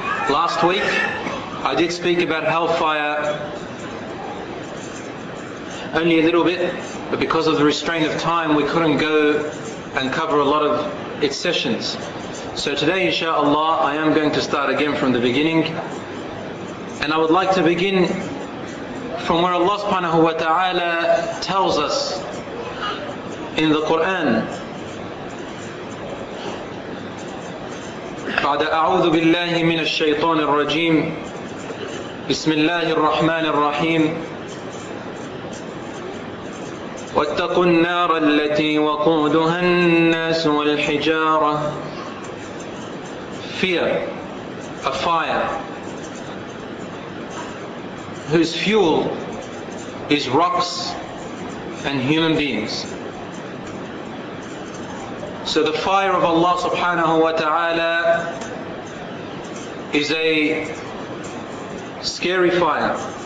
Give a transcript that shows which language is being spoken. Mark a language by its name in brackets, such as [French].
[English] Last week I did speak about hellfire only a little bit, but because of the restraint of time, we couldn't go and cover a lot of its sessions. So today, inshallah, I am going to start again from the beginning. And I would like to begin from where Allah subhanahu wa ta'ala tells us in the Quran. [Arabic] بعد أعوذ بالله من الشيطان الرجيم بسم الله الرحمن الرحيم واتقوا النار التي وقودها الناس والحجارة. [English] Fear, a fire whose fuel is rocks and human beings. So the fire of Allah subhanahu wa ta'ala is a scary fire.